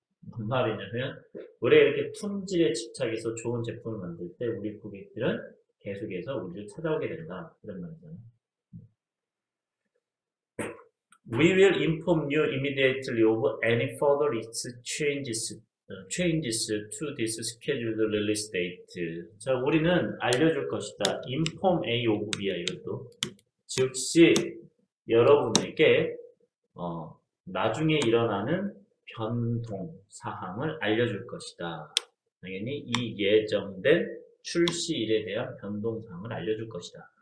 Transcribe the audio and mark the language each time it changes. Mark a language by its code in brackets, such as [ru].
[ko] 무슨 말이냐면, 우리가 이렇게 품질에 집착해서 좋은 제품을 만들 때 우리 고객들은 계속해서 우리를 찾아오게 된다. 이런 말이잖아. [en] We will inform you immediately of any further changes to this scheduled release date. [ko] 자, 우리는 알려줄 것이다. Inform a 요구야, 이것도. 즉시 여러분에게 나중에 일어나는 변동 사항을 알려줄 것이다. 당연히 이 예정된 출시일에 대한 변동 사항을 알려줄 것이다.